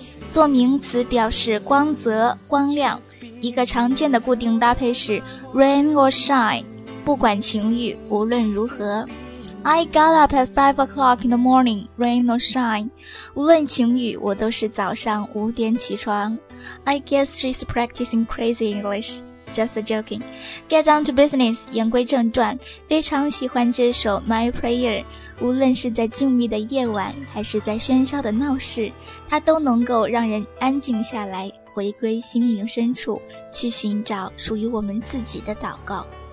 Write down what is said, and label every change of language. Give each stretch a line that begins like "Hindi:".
Chinese: 做名词表示光泽、光亮一个常见的固定搭配是
English: Rain or shine
Chinese: 不管晴雨无论如何
English: I got up at 5 o'clock in the morning
Chinese: Rain or shine无论晴雨，我都是早上五点起床。
English: I guess she's practicing crazy English. Just joking. Get down to business.
Chinese: 言归正传，非常喜欢这首 My Prayer。无论是在静谧的夜晚，还是在喧嚣的闹市，它都能够让人安静下来，回归心灵深处，去寻找属于我们自己的祷告。